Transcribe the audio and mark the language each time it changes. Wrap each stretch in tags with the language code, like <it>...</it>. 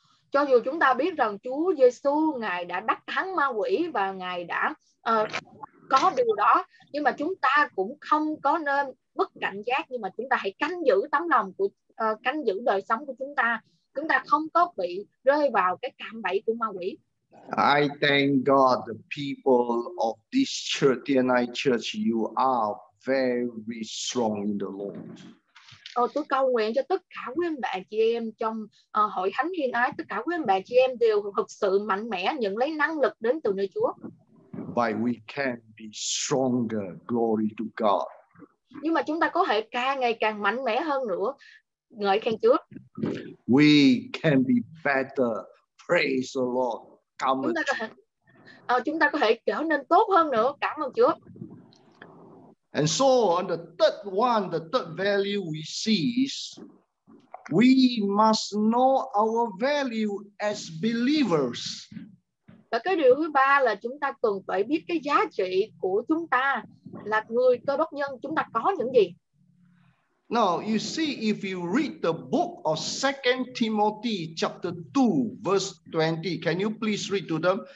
<vi>Cho dù chúng ta biết rằng Chúa Giêsu Ngài đã đắc thắng ma quỷ và Ngài đã có điều đó, nhưng mà chúng ta cũng không có nên mất cảnh giác, nhưng mà chúng ta hãy canh giữ tấm lòng của canh giữ đời sống của chúng ta. Chúng ta không có bị rơi vào cái cạm bẫy của ma quỷ.</vi> <en>I thank God the people of this church, TNI church, you are very strong in the Lord.</en> <vi>Tôi cầu nguyện cho tất cả quý anh bạn chị em trong hội thánh thiên ái, tất cả quý anh bạn chị em đều thực sự mạnh mẽ, nhận lấy năng lực đến từ nơi Chúa.</vi> <en>But we can be stronger, glory to God.</en> <vi>Nhưng mà chúng ta có thể càng ngày càng mạnh mẽ hơn nữa, ngợi khen Chúa.</vi> <en>We can be better, praise the Lord.</en> <vi>Chúng ta có thể trở nên tốt hơn nữa, cảm ơn Chúa.</vi> <en>And so on the third one, the third value we see is we must know our value as believers.</en> <vi>Và cái điều thứ ba là chúng ta cần phải biết cái giá trị của chúng ta là người cơ đốc nhân, chúng ta có những gì.</vi> <en>Now you see if you read the book of 2 Timothy chapter 2 verse 20, can you please read to them?</en>